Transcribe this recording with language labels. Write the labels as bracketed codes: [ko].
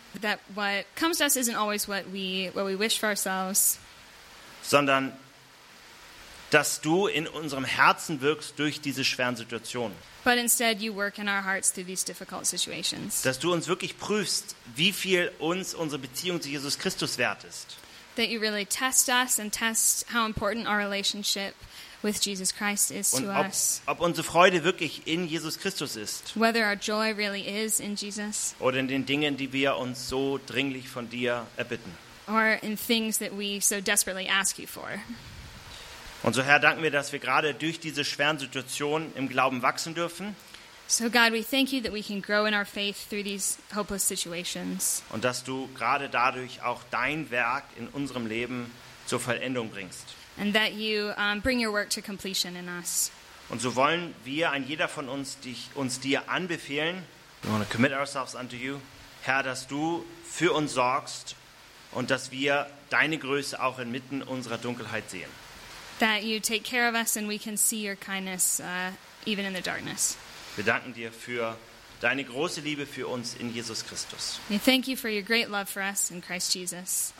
[en] that what comes to us isn't always what we wish for ourselves, [de] sondern dass du in unserem Herzen wirkst durch diese schweren Situationen. [en] But instead you work in our hearts through these difficult situations. [de] Dass du uns wirklich prüfst, wie viel uns unsere Beziehung zu Jesus Christus wert ist. [en] That you really test us and test how important our relationship with Jesus Christ is [de] und [en] to us. [de] Ob unsere Freude wirklich in Jesus Christus ist. [en] Whether our joy really is in Jesus. [de] Oder in den Dingen, die wir uns so dringlich von dir erbitten. [en] Or in things that we so desperately ask you for. [de] Und so, Herr, danken wir, dass wir gerade durch diese schweren Situationen im Glauben wachsen dürfen. [en] So, God, we thank you that we can grow in our faith through these hopeless situations. [de] Und dass du gerade dadurch auch dein Werk in unserem Leben zur Vollendung bringst. [en] And that you bring your work to completion in us. [de] Und so wollen wir, ein jeder von uns, uns dir anbefehlen. [en] We want to commit ourselves unto you. [de] Herr, dass du für uns sorgst und dass wir deine Größe auch inmitten unserer Dunkelheit sehen. [en] That you take care of us and we can see your kindness even in the darkness. [de] Wir danken dir für deine große Liebe für uns in Jesus Christus. [en] We thank you for your great love for us in Christ Jesus.